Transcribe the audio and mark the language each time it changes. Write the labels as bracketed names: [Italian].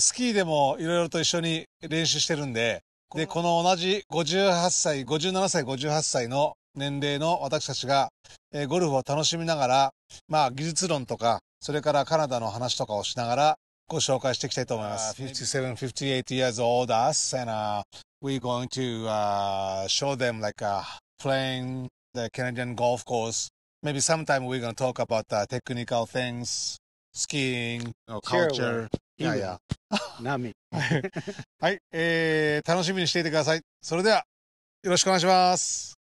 [Japanese] スキーでもいろいろと一緒に練習してるんで、で、この同じ57歳、58歳の年齢の私たちが、ゴルフを楽しみながら、まあ、技術論とか、それからカナダの話とかをしながら、ご紹介していきたいと思います。 [English] 57, 58 years old us, and, we're going to, show them, like, playing the Canadian golf course. Maybe sometime we're going to talk about the technical things, skiing, or culture. Sure, yeah, yeah. Not me. [Japanese] はい、楽しみにしていてください。それでは、よろしくお願いします。